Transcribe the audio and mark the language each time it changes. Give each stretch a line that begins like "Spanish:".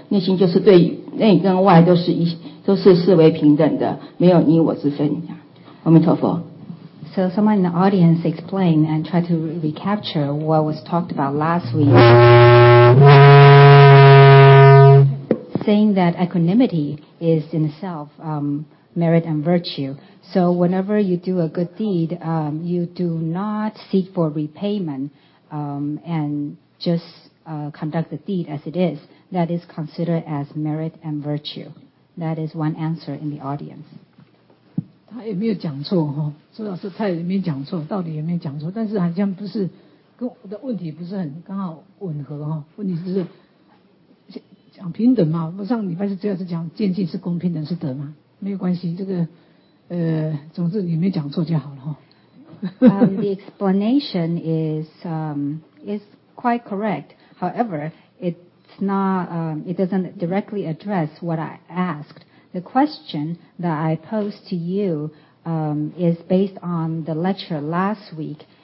Chinese: 内心就是对内跟外都是视为平等的，没有你我之分。阿弥陀佛。
English: So someone in the audience explain and try to recapture what was talked about last week, saying that equanimity is in itself merit and virtue. So whenever you do a good deed, you do not seek for repayment and just conduct the deed as it is, that is considered as merit and virtue. That is one answer in the audience.
Chinese: 他也没有讲错哈，周老师他也没讲错，到底有没有讲错？但是好像不是跟我的问题不是很刚好吻合哈。问题是讲平等嘛？不上礼拜是主要是讲渐进是公平等是德嘛？没有关系，这个总之你没讲错就好了哈。
English: The explanation is quite correct. However, it's not, it doesn't directly address what I asked. The question that I posed to you is based on the lecture last week.